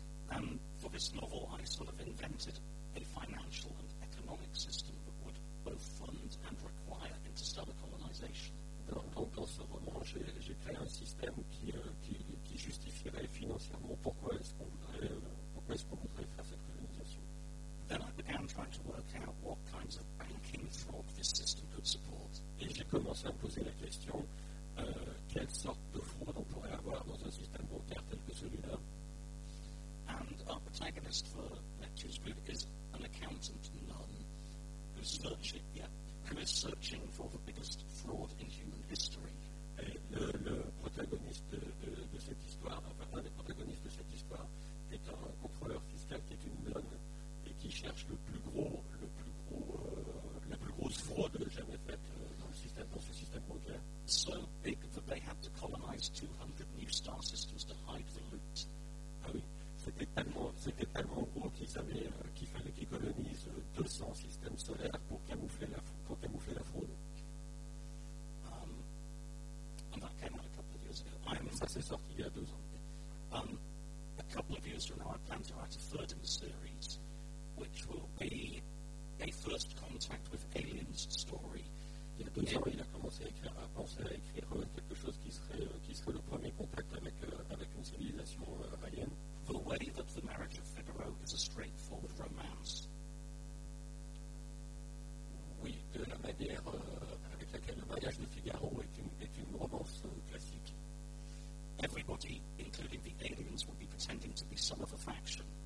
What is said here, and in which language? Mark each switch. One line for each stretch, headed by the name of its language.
English: And for this novel, I sort of invented a financial and economic system that would both fund and require interstellar colonization.
French: Dans ce roman, j'ai créé un système qui justifierait financièrement pourquoi est-ce qu'on voudrait faire cette colonisation.
English: Then I began trying to work out what kinds of banking fraud this system could support.
French: Et j'ai commencé à me poser la question quelle sorte de fraude on pourrait avoir dans un système bancaire tel que celui-là.
English: And our protagonist for Lecture's group is an accountant nun who is searching for the biggest fraud in human history.
French: Et le protagoniste de cette histoire, enfin un des protagonistes de cette histoire, est un contrôleur fiscal qui est une nonne et qui cherche la plus grosse fraude jamais faite dans ce système bancaire.
English: So big that they had to colonize 200 new star systems to hide the loot.
French: Ah oui. C'était tellement gros qu'il fallait qu'ils colonisent 200 systèmes solaires pour camoufler la fraude.
English: And that came out a couple of years ago.
French: Ça s'est sorti il y a 2 ans.
English: A couple of years from now, I plan to write a third in the series, which will be a first contact with aliens story.
French: Il y a 2 ans, il a commencé à penser à écrire quelque chose qui serait le premier contact avec une civilisation alien.
English: The way that the marriage of Figaro is a straightforward romance.
French: Oui, de la manière avec laquelle le mariage de Figaro est une romance classique.
English: Everybody, including the aliens, will be pretending to be some of a faction.